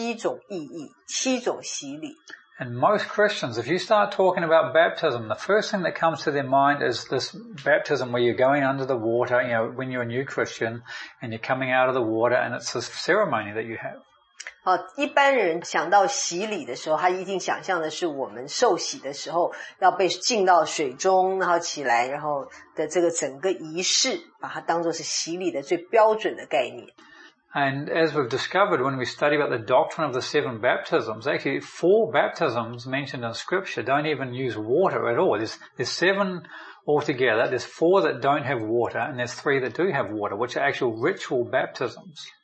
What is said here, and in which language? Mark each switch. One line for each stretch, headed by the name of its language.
Chinese: 那之前Tim已经讲过很多的这个有关洗礼的事情，那这洗礼这个词呢，其实有七种意义，七种洗礼。
English: And most Christians, if you start talking about baptism, the first thing that comes to their mind is this baptism where you're going under the water, you know, when you're a new Christian and you're coming out of the water and it's this ceremony that you have.
Chinese: 一般人想到洗礼的时候，他一定想象的是我们受洗的时候要被浸到水中，然后起来，然后的这个整个仪式，把它当作是洗礼的最标准的概念。
English: And as we've discovered when we study about the doctrine of the seven baptisms, actually four baptisms mentioned in Scripture don't even use water at all. There's seven altogether. There's four that don't have water, and there's three that do have water, which are actual ritual baptisms.